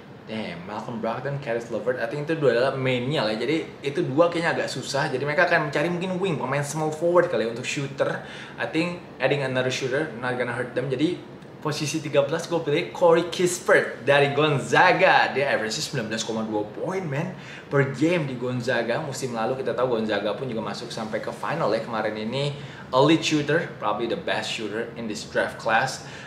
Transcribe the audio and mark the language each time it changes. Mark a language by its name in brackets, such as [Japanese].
[Indonesian] Damn, Malcolm Brogdon, Caris LeVert, [English] I think [Indonesian] itu dua adalah mainnya lah. Jadi itu dua kayaknya agak susah. Jadi mereka akan mencari mungkin wing, pemain small forward kali ya untuk shooter. [English] I think adding another shooter not gonna hurt them. [Indonesian] Jadi posisi 13 gue pilih Corey Kispert dari Gonzaga. Dia average 19,2 poin man per game di Gonzaga. Musim lalu kita tahu Gonzaga pun juga masuk sampai ke final ya kemarin ini. [English] Elite shooter, probably the best shooter in this draft class.